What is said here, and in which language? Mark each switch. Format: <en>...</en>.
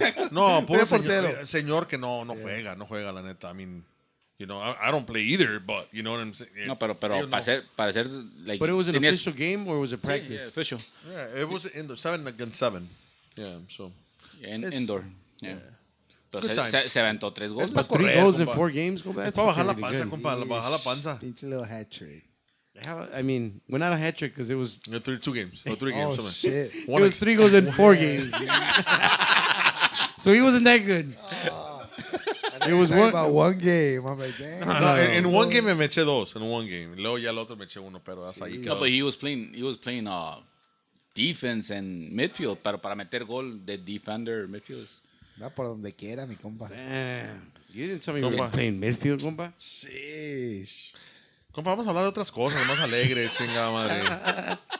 <es>No, puro señor que no juega, la neta.</es> <en>I mean, You know, I don't play either, but you know what I'm saying?</en> <es>No, pero, pero para ser, para ser,</es> <en>like, but it was an</en> <es>tenías...</es> <en>official game or was it practice? Yeah, official. Yeah, it was indoor, 7-7. Yeah, so. Yeah, in, indoor. Yeah.</en> <es>Se aventó tres goles.</es> <en>But three goals in four games, go back.</en> <es>Es para bajar la panza, compa. Bajar la panza. Pinche</es> <en>little hat trick. I mean, we're not a hat trick because it was... Yeah, two games. Oh, three games. Oh, somewhere. Shit. One it was three goals in four games. So he wasn't that good. It was one... about one game. I'm like, damn. No, in one game,</en> <es>me eché dos.</es> <en>In one game.</en> <es>Luego ya el otro me eché uno, pero hasta ahí quedó.</es> <en>No, but he was playing, defense and midfield. Nice.</en> <es>Pero para meter gol de defender midfield. Va por donde quiera, mi compa.</es> <en>Damn. You didn't tell me you were playing midfield, compa. Sheesh.</en> <es>Compa, vamos a hablar de otras cosas, más alegres, chingada madre.</es>